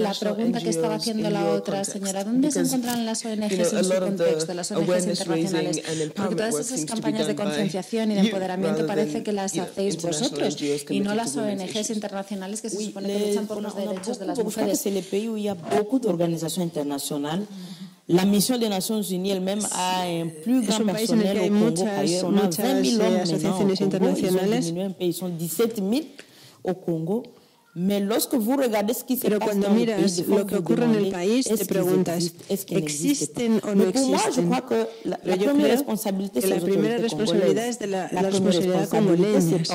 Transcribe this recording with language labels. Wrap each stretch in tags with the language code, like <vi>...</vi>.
<es>La pregunta que estaba haciendo la otra señora, ¿dónde se encuentran las ONGs en su contexto, las ONGs internacionales? Porque todas esas campañas de concienciación de empoderamiento parece que las hacéis vosotros y no las ONGs internacionales que se supone que luchan por los derechos de las mujeres. Es el país donde hay mucha organización internacional. La misión de Naciones Unidas</es> <fr>même a un plus grand personnel.</fr> <es>Es un país en el que hay muchas asociaciones internacionales.</es> <fr>Son 17.000 au Congo.</fr> <es>Pero cuando miras lo que ocurre en el país, te preguntas, ¿existen o no existen? Pero yo creo que la primera responsabilidad es de la responsabilidad congoleña.</es>